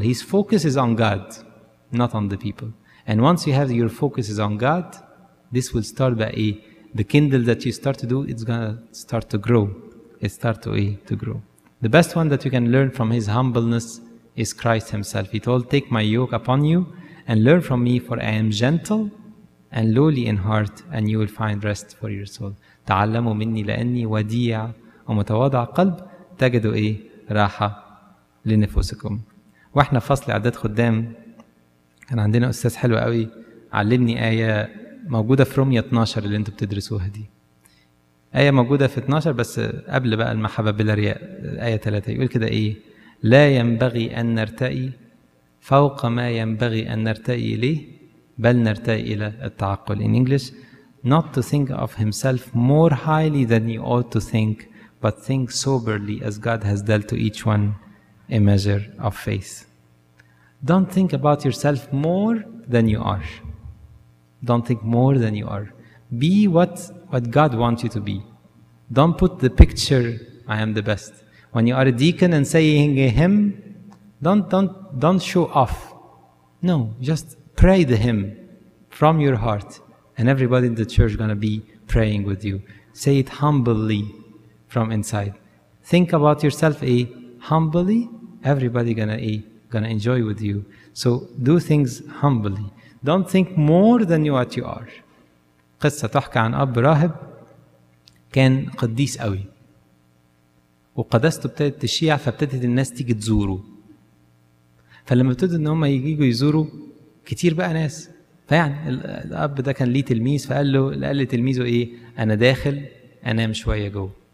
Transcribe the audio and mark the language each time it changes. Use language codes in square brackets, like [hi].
[en] His focus is on God, not on the people. And once you have your focus is on God, this will start by the kindle that you start to do, it's gonna start to grow. It start to to grow. The best one that you can learn from his humbleness is Christ himself. He told, take my yoke upon you and learn from me, for I am gentle and lowly in heart, and you will find rest for your soul. [ar] تعلموا مني لأني وديع ومتواضع قلب، تجدوا إيه؟ راحة لنفوسكم. وإحنا فصل عدد خدام كان عندنا أستاذ حلو قوي علمني آية موجودة في رومية 12 اللي انتوا بتدرسوها دي. آية موجودة في 12 بس قبل بقى المحبة بلا رياء، آية 3 يقول كده إيه: لا ينبغي أن نرتقي فوق ما ينبغي أن نرتقي إليه، بل نرتقي إلى التعقل. [en] In English, not to think of himself more highly than he ought to think, but think soberly as God has dealt to each one a measure of faith. Don't think about yourself more than you are. Don't think more than you are. Be what God wants you to be. Don't put the picture, I am the best. When you are a deacon and saying a hymn, don't show off. No, just pray the hymn from your heart, and everybody in the church is going to be praying with you. Say it humbly from inside. Think about yourself humbly, everybody gonna enjoy with you. So do things humbly. Don't think more than you what you are. [ar] قصة تحكى عن أب راهب كان قديس قوي، وقدسته ابتدت تشيع، فابتدت الناس تيجي تزوره. فلما ابتدوا ان هم يجوا يزوروا كتير بقى ناس، فيعني الأب ده كان ليه تلميذ، فقال لتلميذه ايه: أنا داخل أنام شوية جوه.